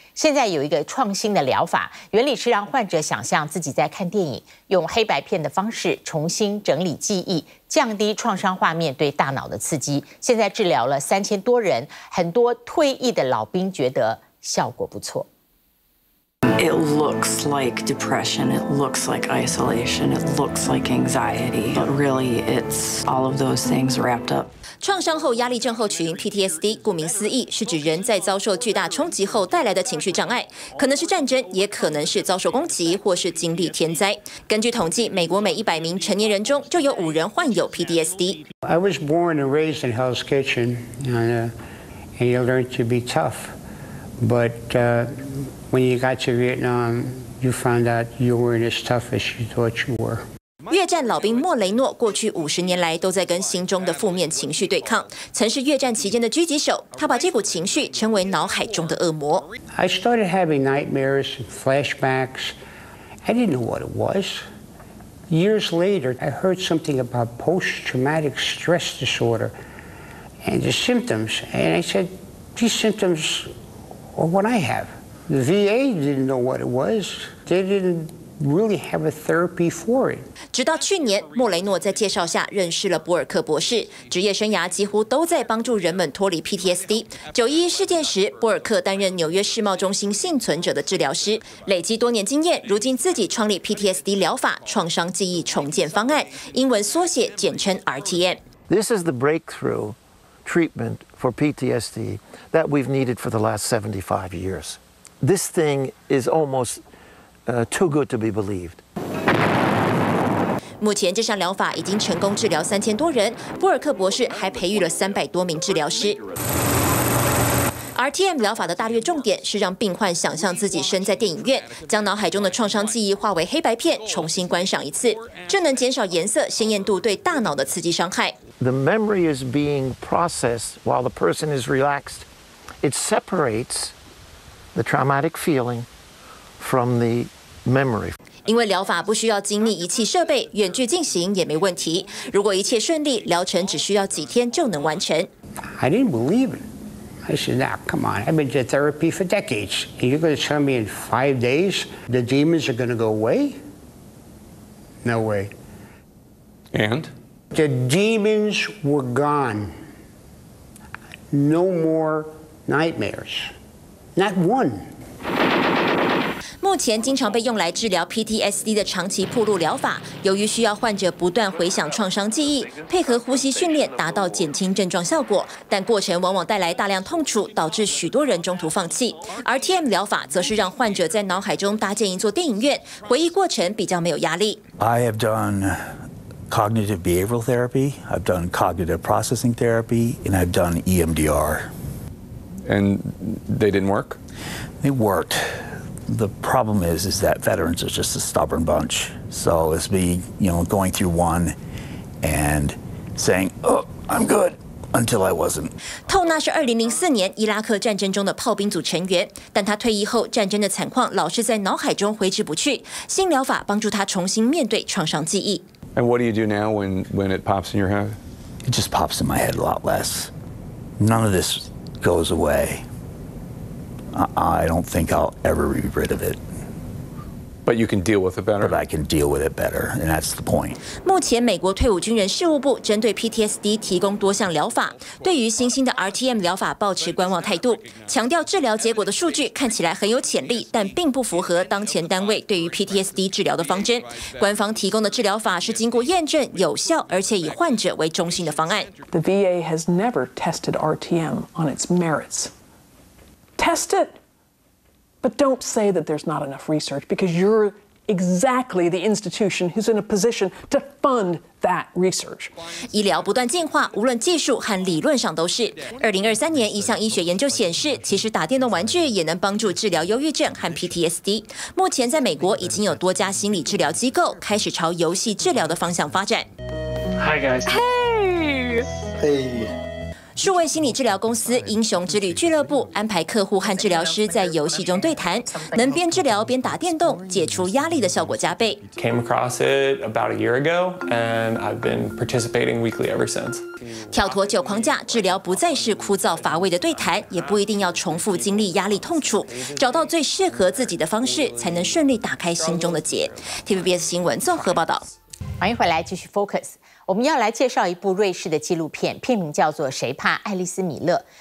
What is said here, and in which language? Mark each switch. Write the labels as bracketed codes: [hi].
[zh] 现在有一个创新的疗法，原理是让患者想象自己在看电影，用黑白片的方式重新整理记忆，降低创伤画面对大脑的刺激。现在治疗了3000多人，很多退役的老兵觉得效果不错。 [en] It looks like depression, it looks like isolation, it looks like anxiety, but really it's all of those things wrapped up. [zh] 创伤后压力症候群 PTSD， 顾名思义，是指人在遭受巨大冲击后带来的情绪障碍，可能是战争，也可能是遭受攻击，或是经历天灾。根据统计，美国每100名成年人中就有5人患有 PTSD。 [en] I was born and raised in Hell's Kitchen, and you learn to be tough, but When you got to Vietnam, you found out you weren't as tough as you thought you were. [zh] 越战老兵莫雷诺过去50年来都在跟心中的负面情绪对抗，曾是越战期间的狙击手，他把这股情绪称为脑海中的恶魔。 [en] I started having nightmares and flashbacks. I didn't know what it was. Years later, I heard something about post-traumatic stress disorder and the symptoms. And I said, these symptoms are what I have. The VA didn't know what it was. They didn't really have a therapy for it. [zh] 直到去年，莫雷诺在介绍下认识了博尔克博士，职业生涯几乎都在帮助人们脱离 PTSD。 911事件时，博尔克担任纽约世贸中心幸存者的治疗师，累积多年经验，如今自己创立 PTSD 疗法创伤记忆重建方案，英文缩写简称 RTM。 [en] This is the breakthrough treatment for PTSD that we've needed for the last 75 years. This thing is almost too good to be believed. [zh] 目前这项疗法已经成功治疗3000多人，博尔克博士还培育了300多名治疗师。 RTM 疗法的大略重点是让病患想象自己身在电影院，将脑海中的创伤记忆化为黑白片，重新观赏一次。这能减少颜色鲜艳度对大脑的刺激伤害。 [en] The memory is being processed while the person is relaxed. It separates the traumatic feeling from the memory. [zh] 因为疗法不需要经历仪器设备，远距进行也没问题。如果一切顺利，疗程只需要几天就能完成。 [en] I didn't believe it. I said, "Now, come on. I've been to therapy for decades. And you're going to tell me in 5 days the demons are going to go away? No way." And? The demons were gone. No more nightmares. Not one. [zh] 目前经常被用来治疗 PTSD 的长期暴露疗法，由于需要患者不断回想创伤记忆，配合呼吸训练达到减轻症状效果，但过程往往带来大量痛楚，导致许多人中途放弃。 RTM 疗法则是让患者在脑海中搭建一座电影院，回忆过程比较没有压力。 [en] I have done cognitive behavioral therapy, I've done cognitive processing therapy, and I've done EMDR. And they didn't work? They worked. The problem is that veterans are just a stubborn bunch. So it's me, you know, going through one and saying, oh, I'm good. Until I wasn't. [zh] 透纳是2004年伊拉克战争中的炮兵组成员，但他退役后战争的惨况老是在脑海中挥之不去。新疗法帮助他重新面对创伤记忆。 [en] And what do you do now when it pops in your head? It just pops in my head a lot less. None of this goes away. I don't think I'll ever be rid of it. But you can deal with it better? But I can deal with it better, and that's the point. [zh] 目前美国退伍军人事务部针对 PTSD 提供多项疗法，对于新兴的 RTM 疗法抱持观望态度，强调治疗结果的数据看起来很有潜力，但并不符合当前单位对于 PTSD 治疗的方针。官方提供的治疗法是经过验证有效，而且以患者为中心的方案。 [en] The VA has never tested RTM on its merits. Test it, but don't say that there's not enough research because you're exactly the institution who's in a position to fund that research. [zh] 医疗不断进化，无论技术和理论上都是。2023年一项医学研究显示，其实打电动玩具也能帮助治疗忧郁症和 PTSD。目前在美国已经有多家心理治疗机构开始朝游戏治疗的方向发展。 [en] Hi guys. Hey. Hey. [zh] 数位心理治疗公司英雄之旅俱乐部安排客户和治疗师在游戏中对谈，能边治疗边打电动，解除压力的效果加倍。 [en] Came across it about a year ago, and I've been participating weekly ever since. [zh] 跳脱旧框架，治疗不再是枯燥乏味的对谈，也不一定要重复经历压力痛楚，找到最适合自己的方式，才能顺利打开心中的结。 TVBS 新闻综合报道。欢迎回来，继续 Focus。我们要来介绍一部瑞士的纪录片，片名叫做《谁怕爱丽丝米勒》。